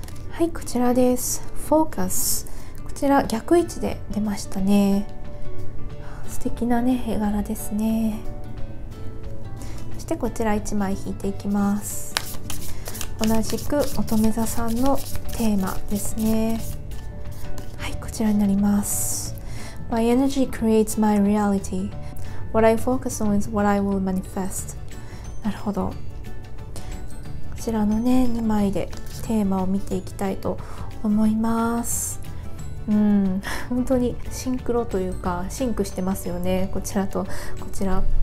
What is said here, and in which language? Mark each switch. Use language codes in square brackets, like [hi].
[ja] はい、こちらです。フォーカス、こちら逆位置で出ましたね。素敵なね、絵柄ですね。そしてこちら1枚引いていきます。同じく乙女座さんのテーマですね。はい、こちらになります。 [en] My energy creates my realityWhat I focus on is what I will manifest. [ja] なるほど。こちらのね、2枚でテーマを見ていきたいと思います。本当にシンクロというか、シンクしてますよね、こちらとこちら。